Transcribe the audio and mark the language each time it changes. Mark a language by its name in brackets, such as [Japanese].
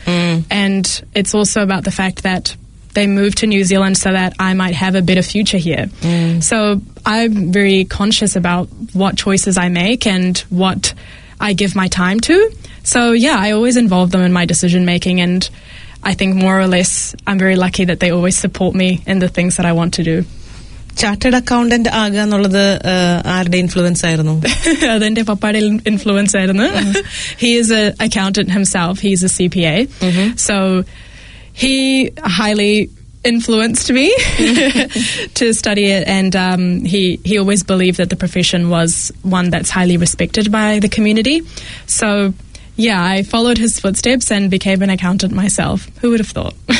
[English] And it's also about the fact that they moved to New Zealand so that I might have a better future here. So I'm very conscious about what choices I make and what I give my time to. So, yeah, I always involve them in my decision-making, and I think more or less I'm very lucky that they always support me in the things that I want to do. [Malayalam] Chartered accountant ആകുക എന്നുള്ളത് ആരുടെ influence ആയിരുന്നു? അതെന്റെ പപ്പാടെ influence ആയിരുന്നു. [English] He is a accountant himself, he is a C P A. So he highly influenced me to study it, and he always believed that the profession was one that's highly respected by the community. So yeah, I followed his footsteps and became an accountant myself. Who would have thought?